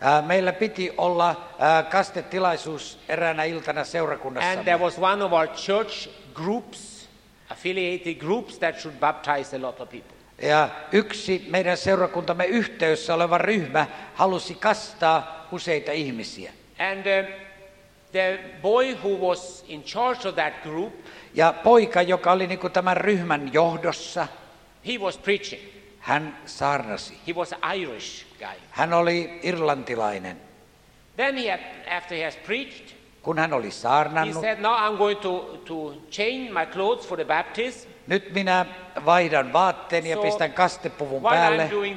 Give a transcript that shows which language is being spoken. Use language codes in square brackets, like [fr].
[fi] Meillä piti olla kastetilaisuus eräänä iltana seurakunnassamme. [en] And there was one of our church groups, affiliated groups that should baptize a lot of people. [fi] Ja yksi meidän seurakuntamme yhteydessä oleva ryhmä halusi kastaa useita ihmisiä. [en] And the boy who was in charge of that group, [fi] ja poika, joka oli niinku tämän ryhmän johdossa, [en] he was preaching. [fi] Hän saarnasi. [en] He was an Irish guy. [fi] Hän oli irlantilainen. [en] Then he had, after he has preached, [fi] kun hän oli saarnannut, [en] he said, "Now I'm going to change my clothes for the baptism." [fi] Nyt minä vaihdan vaatteeni ja pistän kastepuvun päälle.